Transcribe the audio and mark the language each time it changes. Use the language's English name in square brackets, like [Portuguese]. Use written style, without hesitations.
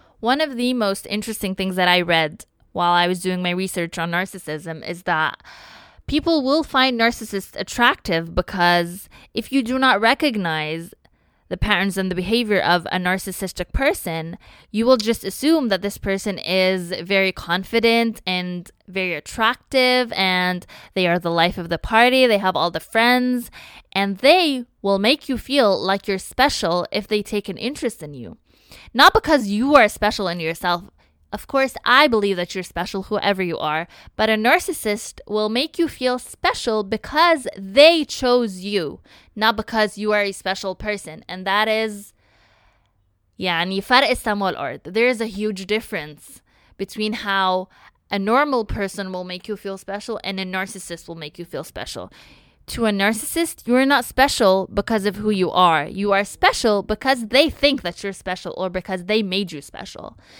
[English] One of the most interesting things that I read while I was doing my research on narcissism is that people will find narcissists attractive because if you do not recognize the patterns and the behavior of a narcissistic person, you will just assume that this person is very confident and very attractive and they are the life of the party, they have all the friends, and they will make you feel like you're special if they take an interest in you. Not because you are special in yourself. Of course, I believe that you're special, whoever you are, but a narcissist will make you feel special because they chose you, not because you are a special person. And that is, [Arabic] يعني فرق السماء والأرض. [English] There is a huge difference between how a normal person will make you feel special and a narcissist will make you feel special. To a narcissist, you are not special because of who you are. You are special because they think that you're special or because they made you special.